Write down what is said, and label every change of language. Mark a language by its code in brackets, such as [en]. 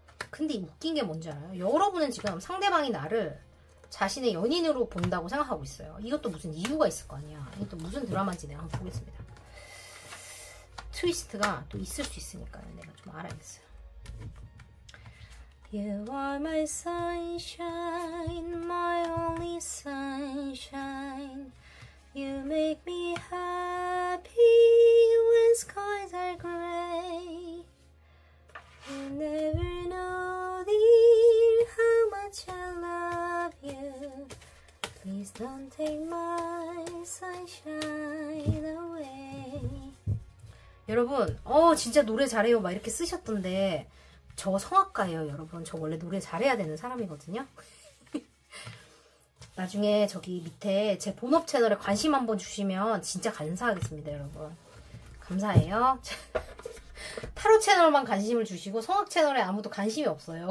[ko] 근데 웃긴 게 뭔지 알아요? 여러분은 지금 상대방이 나를 자신의 연인으로 본다고 생각하고 있어요. 이것도 무슨 이유가 있을 거 아니야. 이게 또 무슨 드라마인지 내가 한번 보겠습니다. 트위스트가 또 있을 수 있으니까 내가 좀 알아야겠어요. [en] You are my sunshine, my only sunshine. You make me happy when skies are gray. You never know, dear, how much I love you. Please don't take my sunshine away. [ko] 여러분 진짜 노래 잘해요 막 이렇게 쓰셨던데 저 성악가예요 여러분. 저 원래 노래 잘해야 되는 사람이거든요. 나중에 저기 밑에 제 본업 채널에 관심 한번 주시면 진짜 감사하겠습니다. 여러분 감사해요. 타로 채널만 관심을 주시고 성악 채널에 아무도 관심이 없어요.